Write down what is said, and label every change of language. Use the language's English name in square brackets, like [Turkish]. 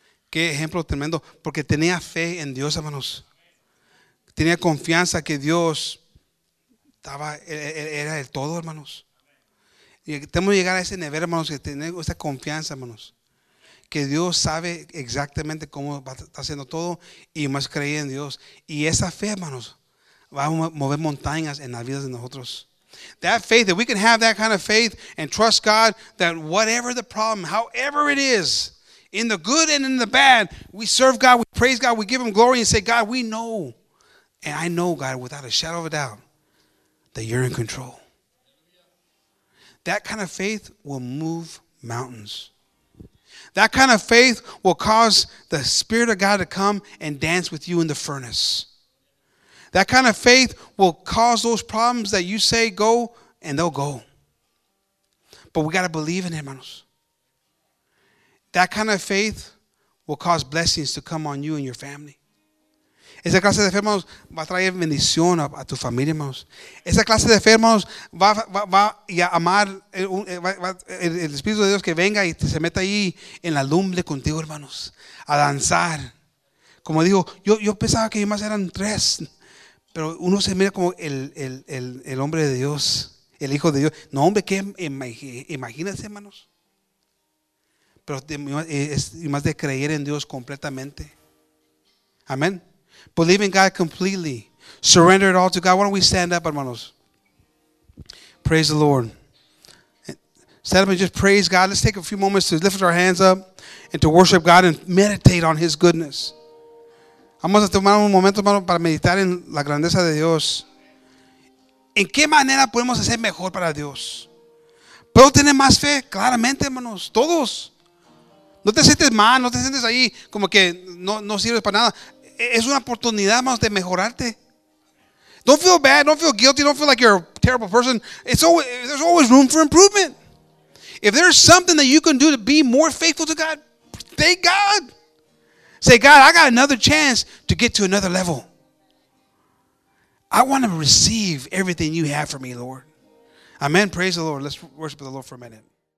[Spanish] Qué ejemplo tremendo, porque tenía fe en Dios, hermanos. Tenía confianza que Dios estaba, era el todo, hermanos. Y tenemos que llegar a ese nivel, hermanos, que tener esa confianza, hermanos. Que Dios sabe exactamente cómo está haciendo todo y más creer en Dios. Y esa fe, hermanos, va a mover montañas en las vidas de nosotros. [English] That faith, that we can have that kind of faith and trust God that whatever the problem, however it is, in the good and in the bad, we serve God, we praise God, we give Him glory and say, God, we know, and I know, God, without a shadow of a doubt, that You're in control. That kind of faith will move mountains. That kind of faith will cause the Spirit of God to come and dance with you in the furnace. That kind of faith will cause those problems that you say go, and they'll go. But we got to believe in it, hermanos. That kind of faith will cause blessings to come on you and your family. [Spanish] Esa clase de fe, hermanos, va a traer bendición a tu familia, hermanos. Esa clase de fe, hermanos, va a amar el Espíritu de Dios que venga y se meta ahí en la lumbre contigo, hermanos, a danzar. Como digo, yo pensaba que más eran tres, pero uno se mira como el hombre de Dios, el hijo de Dios. No, hombre, ¿qué? Imagínense, hermanos. Pero es más de creer en Dios completamente. [English] Amén. Believe in God completely. Surrender it all to God. Why don't we stand up, hermanos? Praise the Lord. Stand up and just praise God. Let's take a few moments to lift our hands up and to worship God and meditate on His goodness. [Spanish] Vamos a tomar un momento, hermano, para meditar en la grandeza de Dios. ¿En qué manera podemos hacer mejor para Dios? ¿Puedo tener más fe? Claramente, hermanos, todos. No te sientes mal, no te sientes ahí como que no sirves para nada. Es una oportunidad, hermanos, de mejorarte. [English] Don't feel bad, don't feel guilty, don't feel like you're a terrible person. There's always room for improvement. If there's something that you can do to be more faithful to God, thank God. Say, God, I got another chance to get to another level. I want to receive everything You have for me, Lord. Amen. Praise the Lord. Let's worship the Lord for a minute.